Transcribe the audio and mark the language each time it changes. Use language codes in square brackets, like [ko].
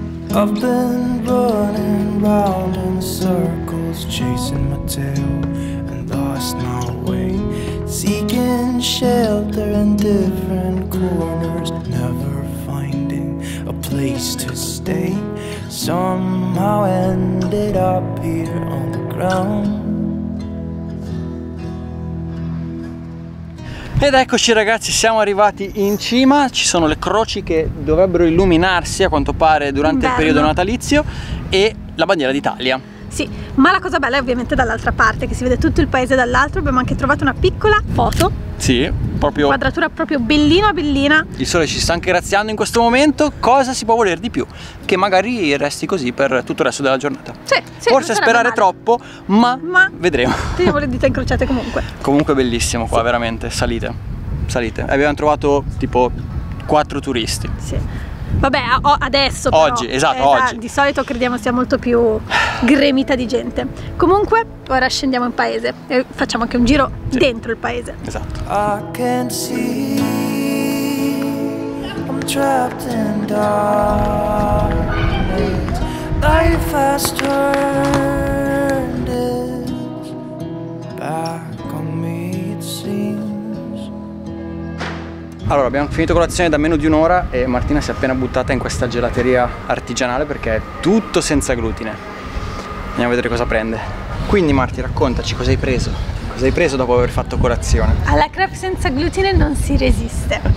[en] I've been running round in circles, chasing my tail and lost my way, seeking shelter in different corners, never finding a place to stay. Somehow ended up here on the ground. [it] Ed eccoci ragazzi, siamo arrivati in cima, ci sono le croci che dovrebbero illuminarsi a quanto pare durante il periodo natalizio e la bandiera d'Italia. Sì, ma la cosa bella è ovviamente dall'altra parte, che si vede tutto il paese dall'altro. Abbiamo anche trovato una piccola foto. Sì, proprio quadratura proprio bellina bellina. Il sole ci sta anche graziando in questo momento. Cosa si può voler di più? Che magari resti così per tutto il resto della giornata. Sì, sì. Forse sperare troppo, ma vedremo. Teniamo le dita incrociate comunque. Comunque bellissimo qua, sì. Veramente, salite, salite. Abbiamo trovato tipo 4 turisti. Sì. Vabbè, adesso oggi, però, esatto, oggi. Di solito crediamo sia molto più gremita di gente. Comunque, ora scendiamo in paese e facciamo anche un giro, sì, dentro il paese. Esatto. [en] I can't see, I'm trapped in darkness. Life has turned it back on me, it seems. [it] Allora, abbiamo finito colazione da meno di un'ora e Martina si è appena buttata in questa gelateria artigianale perché è tutto senza glutine. Andiamo a vedere cosa prende. Quindi Marti, raccontaci, cosa hai preso? Cosa hai preso dopo aver fatto colazione? Alla crepe senza glutine non si resiste.